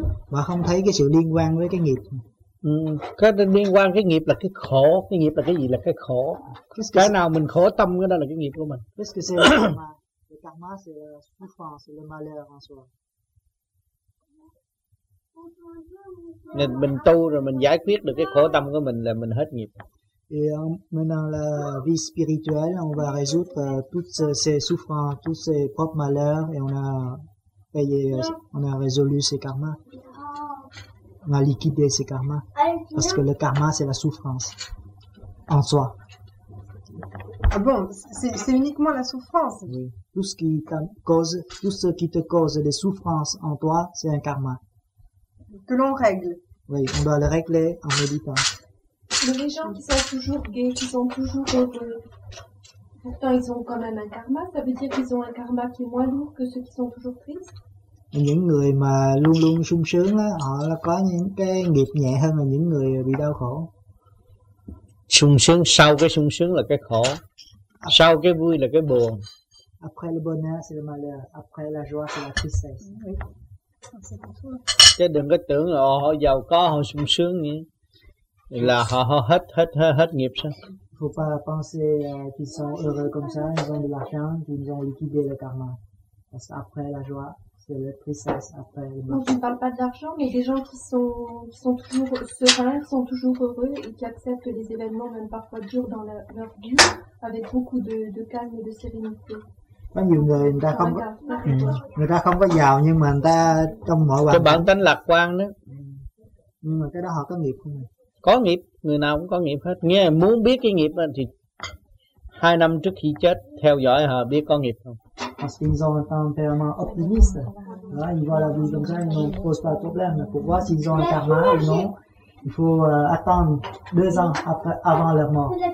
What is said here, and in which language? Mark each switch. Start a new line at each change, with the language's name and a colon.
Vietnamese: Mà không thấy cái sự liên quan với cái nghiệp. Cái liên quan cái nghiệp là cái khổ. Cái nghiệp là cái gì? Là cái khổ. Cái nào mình khổ tâm, cái đó là cái nghiệp của mình.
French: Qu'est-ce que c'est le karma? Le karma, c'est la souffrance, le malheur en soi.
Vietnamese: Nên mình tu rồi mình giải quyết được cái khổ tâm của mình là mình hết nghiệp.
French: Et maintenant la vie spirituelle, on va résoudre toutes ces souffrances, tous ces propres malheurs, et on a payé, on a résolu ces karmas. On a liquidé ces karmas. Parce que le karma, c'est la souffrance en soi. Ah bon, c'est uniquement la souffrance. Oui. Tout ce qui te cause, tout ce qui te cause des souffrances en toi, c'est un karma. Que l'on règle. Oui, on doit le régler en méditant. Mais les gens qui sont toujours gays, qui sont toujours heureux, pourtant ils ont quand même un karma, ça veut dire qu'ils ont un karma qui est moins lourd que ceux qui sont toujours tristes?
Vietnamese: Những người mà luôn luôn sung sướng á, họ có những cái nghiệp nhẹ hơn là những người bị đau khổ. Sung sướng, sau cái sung sướng là cái khổ. Sau cái vui là cái buồn.
French: Après le bonheur, c'est le malheur. Après la joie, c'est la tristesse.
Vietnamese: Chứ đừng có tưởng là họ giàu có, họ sung sướng nhỉ. Là họ hết, hết nghiệp sao?
French: Faut pas penser qu'ils sont heureux comme ça, ils ont de l'argent, qu'ils ont liquidé le karma. Parce qu'après la joie, c'est la tristesse après. Donc je ne parle pas d'argent, mais des gens qui sont toujours sereins, sont toujours heureux et qui acceptent les événements, même parfois durs dans leur vie, avec beaucoup de calme et de sérénité.
Vietnamese: Có nhiều người người ta không có, người ta không có giàu nhưng mà người ta trong mọi hoàn cảnh. Cái bản tánh lạc quan đó. Nhưng mà cái đó họ có nghiệp không? Có nghiệp, người nào cũng có nghiệp hết. Nghe muốn biết cái nghiệp thì hai năm trước khi chết theo dõi họ biết có nghiệp không.
French: Parce qu'ils ont un tempérament optimiste. Là, ils voient la vie comme ça, ils ne posent pas de problème. Mais pour voir s'ils ont un karma ou non, il faut attendre 2 ans après, avant leur mort.